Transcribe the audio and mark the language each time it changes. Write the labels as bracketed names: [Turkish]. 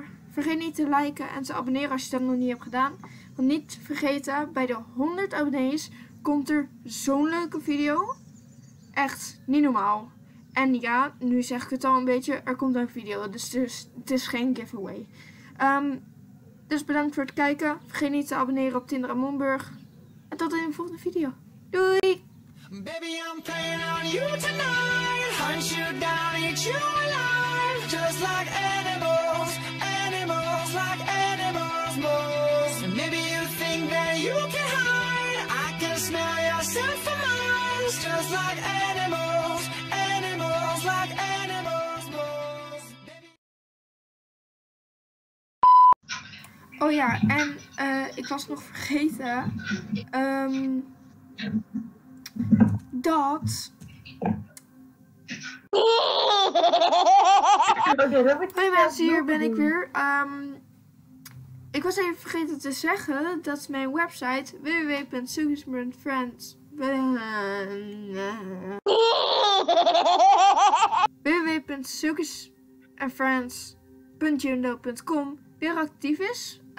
[Dutch] Vergeet niet te liken en te abonneren als je dat nog niet hebt gedaan. Want niet vergeten, bij de 100 abonnees komt er zo'n leuke video. Echt niet normaal. En ja, nu zeg ik het al een beetje, er komt een video. Dus het is geen giveaway. Dus bedankt voor het kijken. Vergeet niet te abonneren op Tindra Moonburg. En tot in de volgende video. Doei! [English] Baby, I'm playing on you tonight. Hunt you down, eat you alive. Just like animals, animals, like animals most. Maybe you think that you can hide. I can smell yourself for miles. Just like animals, animals, like animals most. Baby... [Dutch] Oh ja, en ik was nog vergeten. Dat. Hoi mensen, hier ben ik weer. Ik was even vergeten te zeggen dat mijn website www.sugarsandfriends.jundo.com weer actief is.